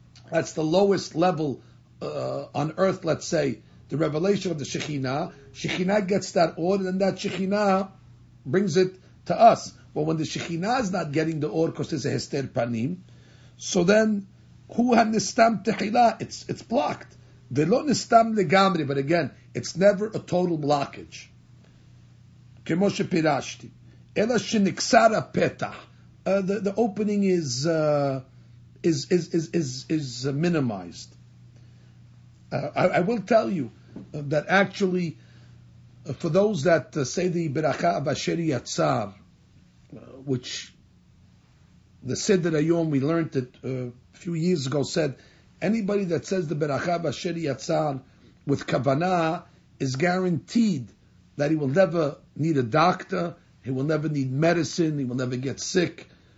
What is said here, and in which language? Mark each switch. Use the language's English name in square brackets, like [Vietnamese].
[English] That's the lowest level on earth, let's say, the revelation of the Shekhinah. Shekhinah gets that or, and then that Shekhinah brings it to us. But when the Shekhinah is not getting the or, because there's a Hester Panim, so then, [Hebrew] Hu hanistam techilah, [English] it's blocked. [Hebrew] ולא נסתם לגמרי, [English] but again, it's never a total blockage. [Hebrew] כמו שפירשתי, אלא שנקסר הפתח, [English] the opening is minimized. I will tell you that actually, for those that say the Beracha Avasheri Yatzar, which the Siddur Hayom, we learned it a few years ago, said, anybody that says the Beracha Asher Yatzar with Kavanah is guaranteed that he will never need a doctor, he will never need medicine, he will never get sick.